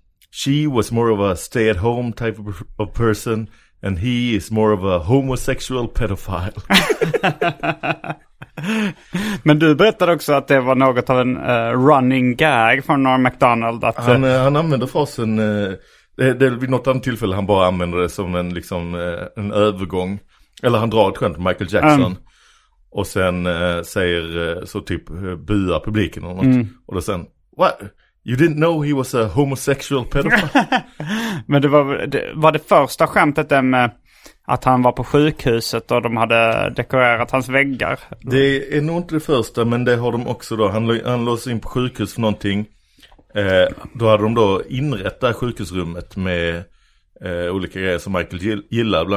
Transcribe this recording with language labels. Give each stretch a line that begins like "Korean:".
English: She was more of a stay-at-home type of person, and he is more of a homosexual pedophile.
Swedish: Men du berättade också att det var något av en running gag från Norm MacDonald. Att, han använde frasen, det är vid något annat tillfälle han bara använder det som en, liksom, en övergång. Eller han drar ett skämt med Michael Jackson. Och sen säger så typ buar publiken eller något. Och då sen,
English: what? You didn't know he was a homosexual pedophile?
Swedish: Men det var första skämtet där med att han var på sjukhuset och de hade dekorerat hans väggar. Det är nog inte det första, men det har de också då. Han låser in på sjukhus för någonting. Då hade de då inrättat sjukhusrummet med olika grejer som Michael gillar.